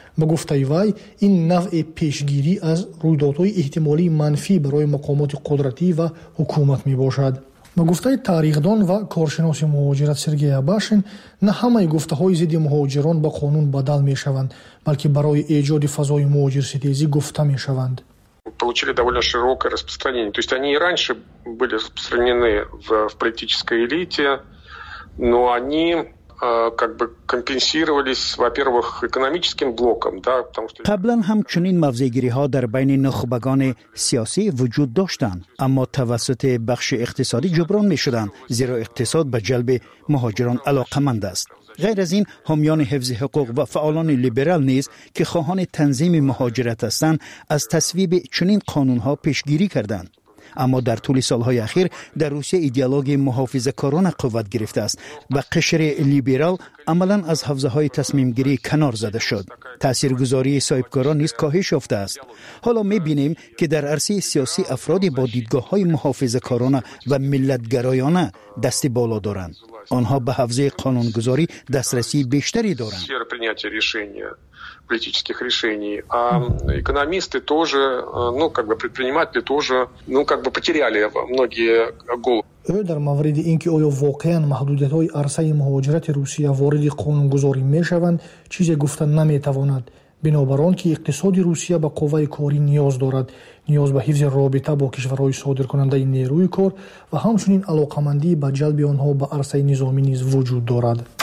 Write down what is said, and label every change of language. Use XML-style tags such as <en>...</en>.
<fa>به گفته وی، این نوع پیشگیری از رویدادهای احتمالی منفی برای مقامات قدرتی و حکومت می‌باشد. به گفته تاریخ‌دان و کارشناس مهاجرت سرگی آباشین، نه همه گفته‌های ضد مهاجران با قانون بدل می‌شوند، بلکه برای ایجاد فضای مهاجرستیزی گفته می‌شوند.</fa> <ru>получили довольно широкое распространение. То есть они и раньше были распространены в политической элите, но они как бы компенсировались, во-первых, экономическим блоком, да, потому что</ru> <fa>قبلاً همچنین موضع‌گیری‌ها در بین نخبگان سیاسی وجود داشتند، اما توسط بخش اقتصادی جبران می‌شدند، زیرا اقتصاد به جلب مهاجران علاقمند است. غیر از این، حامیان حفظ حقوق و فعالان لیبرال نیز که خواهان تنظیم مهاجرت هستند، از تصویب چنین قانون‌ها پیشگیری کردند. اما در طول سالهای اخیر در روسیه ایدئولوژی محافظه‌کارانه قوت گرفته است و قشر لیبرال عملا از حوزه های تصمیم گیری کنار زده شد. تاثیرگذاری صاحبکاران نیز کاهش یافته است. حالا می‌بینیم که در عرصه سیاسی افرادی با دیدگاه های محافظه‌کارانه و ملت‌گرایانه دست بالا دارند. آنها به حوزه قانونگذاری دسترسی بیشتری دارند.</fa> <ru>политических решений, а экономисты тоже, ну как бы предприниматели тоже, ну как бы потеряли многие головы.</ru> <tg>Дар мавриди инки оё воқеан маҳдудиятҳои арсаи муҳоҷирати Русия вориди қонунгузорӣ мешаванд, чизе гуфта наметавонад. Бинобар он ки иқтисоди Русия ба қувваи корӣ ниёз дорад, ниёз ба ҳифзи робита бо кишварҳои содиркунандаи нерӯи кор ва ҳамчунин алоқаманди ба ҷалби онҳо ба арсаи низомӣ низ вуҷуд дорад.</tg>